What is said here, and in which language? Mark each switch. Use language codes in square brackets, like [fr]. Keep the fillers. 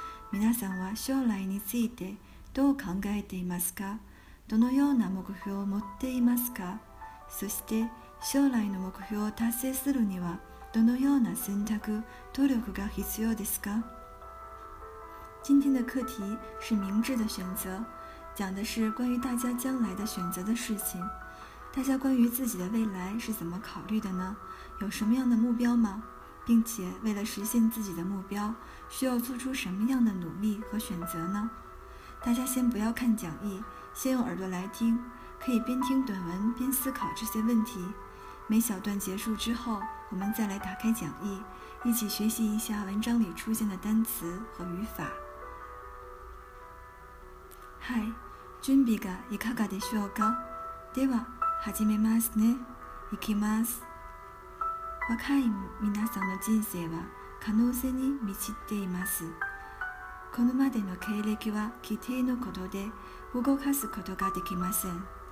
[ja] 皆さんは将来についてどう考えていますかどのような目標を持っていますかそして、将来の目標を達成するには、どのような選択、努力が必要ですか [zh] 今天的课题是明智的选择。讲的是关于大家将来的选择的事情，大家关于自己的未来是怎么考虑的呢？有什么样的目标吗？并且为了实现自己的目标，需要做出什么样的努力和选择呢？大家先不要看讲义，先用耳朵来听，可以边听短文边思考这些问题。每小段结束之后，我们再来打开讲义，一起学习一下文章里出现的单词和语法。嗨。 [ja] 準備がいかがでしょうかでは始めますね。いきます。若い皆さんの人生は可能性に満ちています。このまでの経歴は規定のことで動かすことができません。